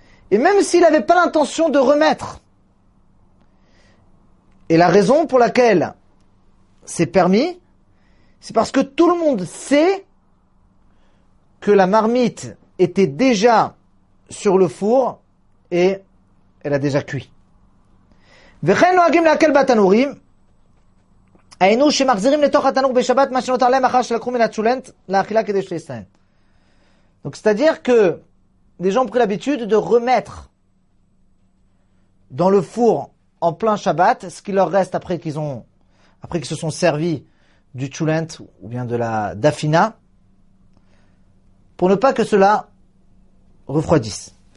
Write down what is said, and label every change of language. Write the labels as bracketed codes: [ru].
[fr] Et même s'il n'avait pas l'intention de remettre, et la raison pour laquelle c'est permis, c'est parce que tout le monde sait que la marmite était déjà sur le four et elle a déjà cuit. [he] וכן נוהגים להקל בתנורים, היינו שמחזירים לתוך התנור בשבת מה שנותר להם אחר שלקחו מן הצולנת לאכילה כדי שיסתיים. [fr] Donc c'est-à-dire que les gens ont pris l'habitude de remettre dans le four en plein Shabbat ce qu'il leur reste après qu'ils se sont servis du tchoulent ou bien de la dafina, pour ne pas que cela refroidisse.